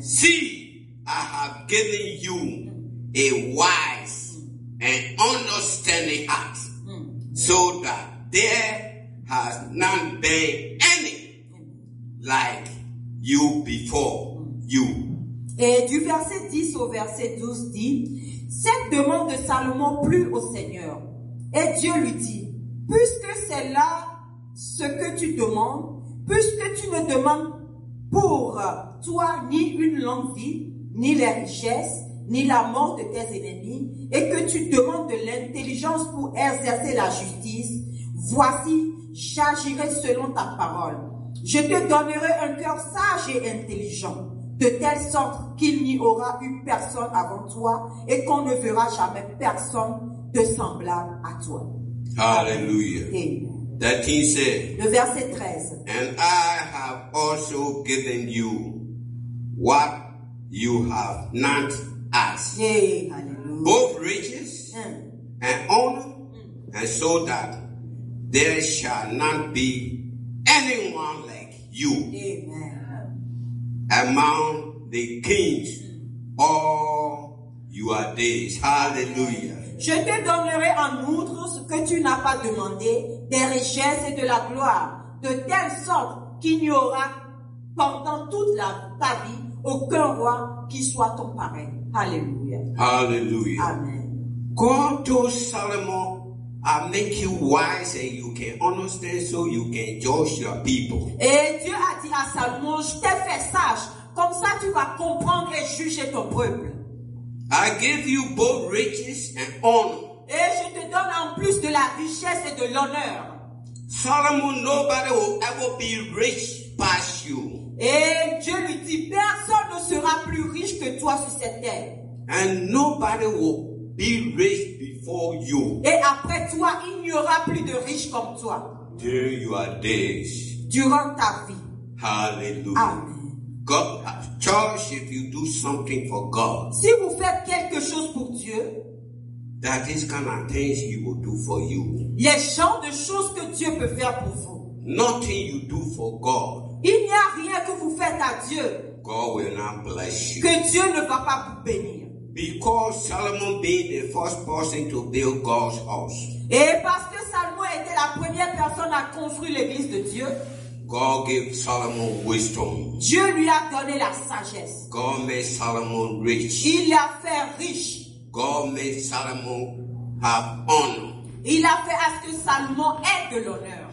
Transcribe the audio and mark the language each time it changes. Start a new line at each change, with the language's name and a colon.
English: See, I have given you a wise and understanding heart, so that there has not been any like you before you.
French: Et du verset 10 au verset 12 dit, cette demande de Salomon plut au Seigneur. Et Dieu lui dit, puisque c'est là ce que tu demandes, puisque tu ne demandes pour toi ni une longue vie, ni les richesses, ni la mort de tes ennemis, et que tu demandes de l'intelligence pour exercer la justice, voici, j'agirai selon ta parole. Je te donnerai un cœur sage et intelligent, de telle sorte qu'il n'y aura eu personne avant toi, et qu'on ne verra jamais personne de semblable à toi. Alléluia. Amen.
English: That he said,
French: le verset 13.
English: And I have also given you what you have not asked. Yay, hallelujah. Both riches and honor, and so that there shall not be anyone like you. Amen. Among the kings all your days. Hallelujah.
French: Je te donnerai en outre ce que tu n'as pas demandé, des richesses et de la gloire, de telle sorte qu'il n'y aura pendant toute ta vie aucun roi qui soit ton pareil. Alléluia. Alléluia. Amen.
English: God told Solomon, I make you wise and you can understand so you can judge your people.
French: Et Dieu a dit à Salomon, je t'ai fait sage, comme ça tu vas comprendre et juger ton peuple.
English: I give you both riches and honor.
French: Et je te donne en plus de la richesse et de l'honneur.
English: Solomon, nobody will ever be rich past you.
French: Et Dieu lui dit, personne ne sera plus riche que toi sur cette terre.
English: And nobody will be rich before you.
French: Et après toi, il n'y aura plus de riches comme toi.
English: During your days.
French: Durant ta vie. Hallelujah. Amen.
English: God has charged if you do something for God.
French: Si vous faites quelque chose pour Dieu,
English: that is kind of things he will do for you.
French: Les genres de choses que Dieu peut faire pour vous.
English: Nothing you do for God.
French: Il n'y a rien que vous faites à Dieu.
English: God will not bless you.
French: Que Dieu ne va pas vous bénir.
English: Because Solomon being the first person to build God's house.
French: Et parce que Salomon était la première personne à construire l'église de Dieu.
English: God gave Solomon wisdom.
French: Dieu lui a donné la sagesse.
English: God made Solomon rich.
French: Il l'a fait riche.
English: God made Solomon have honor.
French: Il a fait à ce que Salomon ait de l'honneur.